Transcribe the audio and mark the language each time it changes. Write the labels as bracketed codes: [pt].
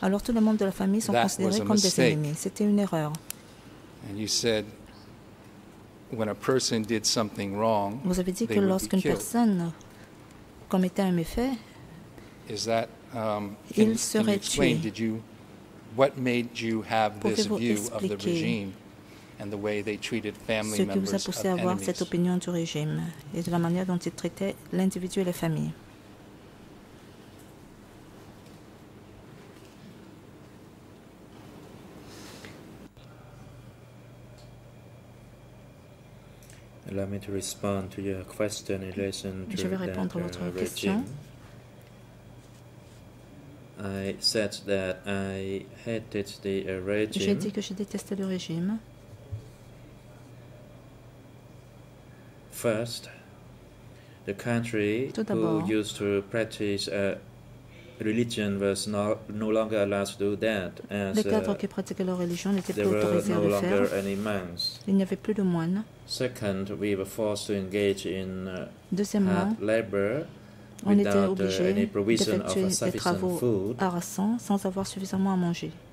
[fr] Alors tous les membres de la famille sont [en] that [fr] considérés comme des ennemis. C'était une erreur. [en] And you said, when a person did something wrong, [fr] vous avez dit que lorsqu'une personne commettait un méfait, [en] is that, [fr] il serait tué. [en] Did you, what made you have this view of the regime and the way they treated family members? [fr] Ce qui vous a poussé à avoir cette opinion du régime et de la manière dont ils traitaient l'individu et la famille. [en] Allow me to respond to your question in relation to the regime. Question. I said that I hated the regime. [fr] J'ai dit que je détestais le régime. [en] First, the country who used to practice a religion was no longer allowed to do that. As [fr] les cadres qui pratiquaient leur religion n'étaient plus autorisés [en] no [fr] à le faire. [en] Any monks. [fr] Il n'y avait plus de moines. [en] Second, we were forced to engage in [fr] deuxièmement, [en] hard labor [fr] on était obligé d'effectuer des travaux harassants sans avoir suffisamment à manger.